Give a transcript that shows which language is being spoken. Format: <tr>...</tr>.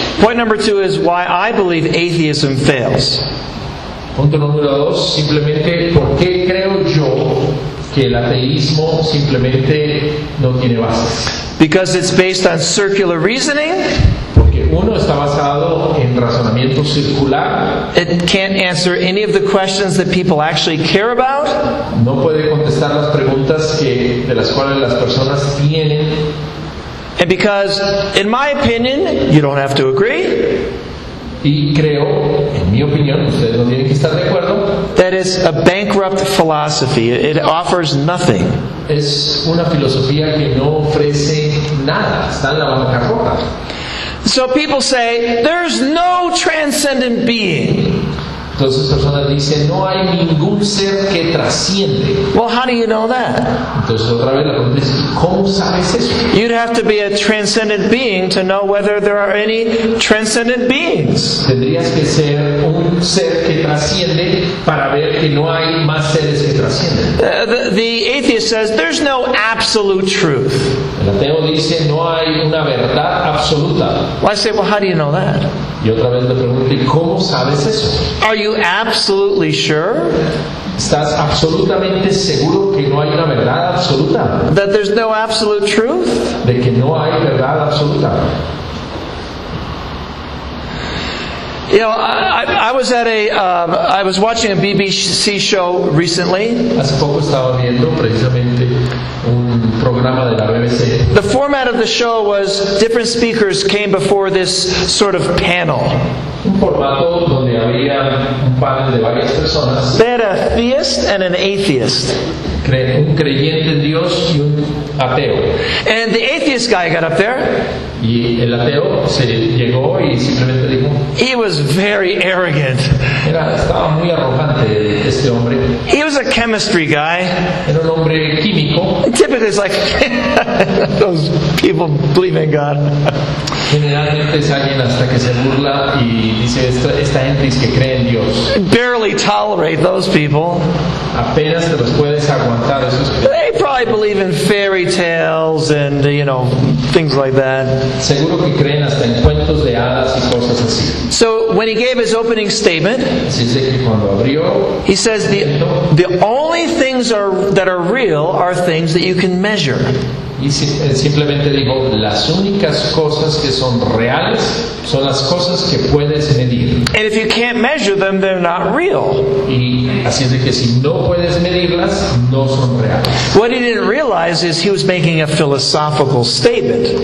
<en>Point number two is why I believe atheism fails.</en> <es>Punto número dos, simplemente, ¿por qué creo yo que el ateísmo simplemente no tiene bases?</es> <en>Because it's based on circular reasoning.</en> <es>Porque uno está basado en razonamiento circular.</es> <en>It can't answer any of the questions that people actually care about.</en> <es>No puede contestar las preguntas de las cuales las personas tienen.</es> <en>And because, in my opinion, you don't have to agree.</en> <es>Y creo, en mi opinión, ustedes no tienen que estar de acuerdo.</es> <en>That is a bankrupt philosophy. It offers nothing.</en> <es>Es una filosofía que no ofrece nada. Está en la bancarrota.</es> <en>So people say, there's no transcendent being.</en> <es>Entonces personas dicen, no hay ningún ser que trasciende.</es> <en>Well, how do you know that?</en> <es>Entonces otra vez la pregunta es, ¿cómo sabes eso?</es> <en>You'd have to be a transcendent being to know whether there are any transcendent beings.</en> <es>Tendrías que ser un ser que trasciende para ver que no hay más seres que trascienden.</es> <en>The atheist says, there's no absolute truth.</en> <es>El ateo dice, no hay una verdad absoluta.</es> <en>Well, I say, well, how do you know that?</en> <es>Y otra vez le pregunto, ¿cómo sabes eso?</es> <en>Are you absolutely sure?</en> <es>¿Estás absolutamente seguro que no hay una verdad absoluta?</es> <en>That there's no absolute truth?</en> <es>De que no hay verdad absoluta.</es> <en>You know, I was at a I was watching a BBC show recently.</en> <es>Hace poco estaba viendo precisamente un programa de la BBC.</es> <en>The format of the show was different speakers came before this sort of panel.</en> <es>Un formato donde había un panel de varias personas.</es> <en>They had a theist and an atheist.</en> <es>un creyente en Dios y un ateo.</es> <en>And the atheist guy got up there.</en> <es>Y el ateo se llegó y simplemente dijo.</es> <en>He was very arrogant.</en> <es>Estaba muy arrogante este hombre.</es> <en>He was a chemistry guy.</en> <es>Era un hombre químico.</es> <en>Typically, it's like those people believe in God.</en> <es>Generalmente es alguien hasta que se burla y dice esta gente es que cree en Dios.</es> <en>Barely tolerate those people.</en> <es>Apenas te los puedes aguantar esos.</es> <en>They probably believe in fairy tales and you know things like that.</en> <es>Seguro que creen hasta en cuentos de hadas y cosas así.</es> <en>So when he gave his opening statement, he says the only things that are real are things that you can measure.</en> <es>Y simplemente dijo, las únicas cosas que son reales son las cosas que puedes medir.</es> <en>And if you can't measure them, they're not real.</en> <es>Y así es de que si no puedes medirlas, no son reales.</es> <en>What he didn't realize is he was making a philosophical statement.</en>